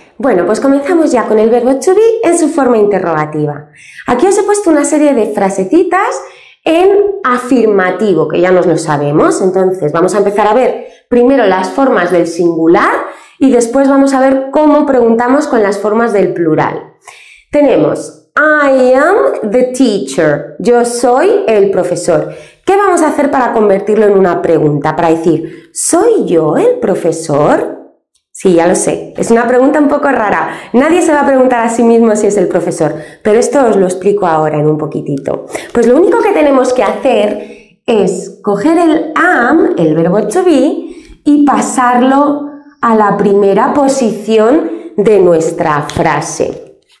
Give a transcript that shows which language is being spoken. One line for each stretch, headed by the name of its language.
Spanish: Bueno, pues comenzamos ya con el verbo to be en su forma interrogativa. Aquí os he puesto una serie de frasecitas en afirmativo, que ya nos lo sabemos. Entonces, vamos a empezar a ver primero las formas del singular. Y después vamos a ver cómo preguntamos con las formas del plural. Tenemos,
English: I am the teacher.
Spanish: Yo soy el profesor. ¿Qué vamos a hacer para convertirlo en una pregunta? Para decir, ¿soy yo el profesor? Sí, ya lo sé. Es una pregunta un poco rara. Nadie se va a preguntar a sí mismo si es el profesor, pero esto os lo explico ahora en un poquitito. Pues lo único que tenemos que hacer es coger el am, el verbo to be, y pasarlo a la primera posición de nuestra frase.